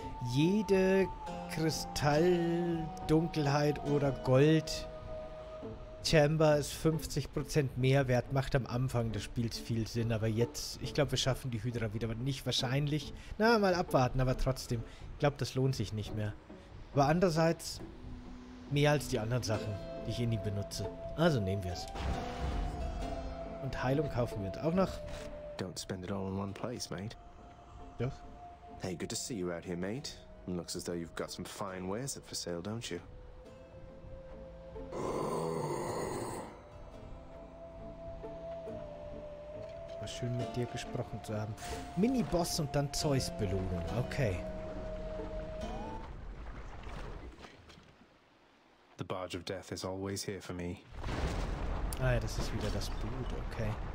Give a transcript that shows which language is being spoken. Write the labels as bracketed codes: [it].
[de] Jede Kristall, Dunkelheit oder Gold Chamber ist 50% mehr wert, macht am Anfang des Spiels viel Sinn, aber jetzt, ich glaube, wir schaffen die Hydra wieder, aber nicht wahrscheinlich. Na, mal abwarten, aber trotzdem, ich glaube, das lohnt sich nicht mehr. Aber andererseits mehr als die anderen Sachen, die ich eh nie benutze. Also nehmen wir es. Und Heilung kaufen wir uns auch noch. [en] Don't spend it all in one place, mate. [de] Doch. [en] Hey, good to see you out here, mate. Looks as though you've got some fine wares up for sale, don't you? [de] War schön mit dir gesprochen zu haben. Mini-Boss und dann Zeus-Belohnung. Okay. [en] The barge of death is always here for me. [de] Ah ja, das ist wieder das Blut, okay.